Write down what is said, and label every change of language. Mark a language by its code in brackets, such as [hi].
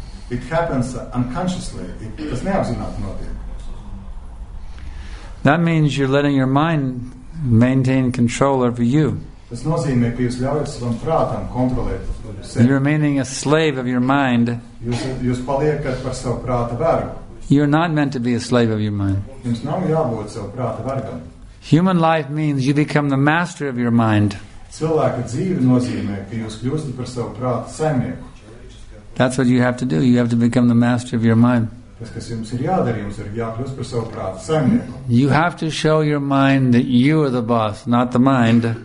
[en] It happens unconsciously. [lv] Tas neapzināti notiek. [en] That means you're letting your mind maintain control over you. [lv] Tas nozīmē, ka jūs ļaujat savam prātam kontrolēt sevi. [en] You're remaining a slave of your mind. [lv] Jūs paliekat par savu prāta vergu. [en] You're not meant to be a slave of your mind. [lv] Jums nav jābūt savu prāta vergam. [en] Human life means you become the master of your mind. [lv] Cilvēka dzīve nozīmē, ka jūs kļūstat par savu prātu saimnieku. [en] That's what you have to do. You have to become the master of your mind. [lv] Tas, kas jums ir jādara, jums ir jākļūst par savu prātu saimnieku. [en] You have to show your mind that you are the boss, not the mind.